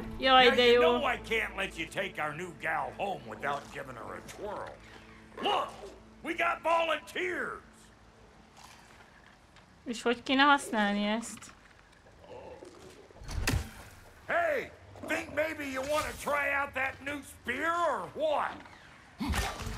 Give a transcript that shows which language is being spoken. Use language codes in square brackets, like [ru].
[en] Now, you know I can't let you take our new gal home without giving her a twirl. Look, we got volunteers. [hu] És hogy kéne használni ezt? [en] Hey, think maybe you want to try out that new spear or what?